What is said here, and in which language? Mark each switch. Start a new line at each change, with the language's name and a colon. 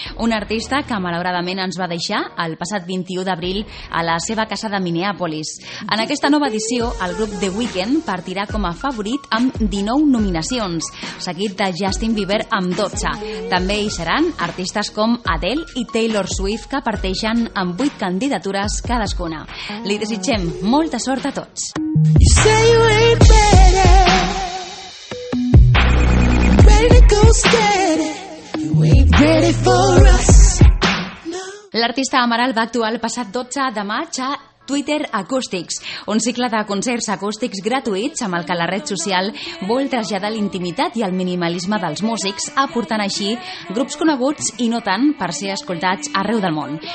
Catalan: Un artista que malauradament ens va deixar el passat 21 d'abril a la seva casa de Minneapolis. En aquesta nova edició, el grup The Weeknd partirà com a favorit amb 19 nominacions, seguit de Justin Bieber amb 12. També hi seran artistes com Adele i Taylor Swift, que parteixen amb 8 candidatures cadascuna. Li desitgem molta sort a tots.
English: You say you ain't ready. Ready to go instead you ain't ready for us.
Catalan: L'artista Amaral va actuar el passat 12 de maig a Twitter Acoustics, un cicle de concerts acústics gratuïts amb el que la red social vol traslladar l'intimitat i el minimalisme dels músics, aportant així grups coneguts i no tant per ser escoltats arreu del món.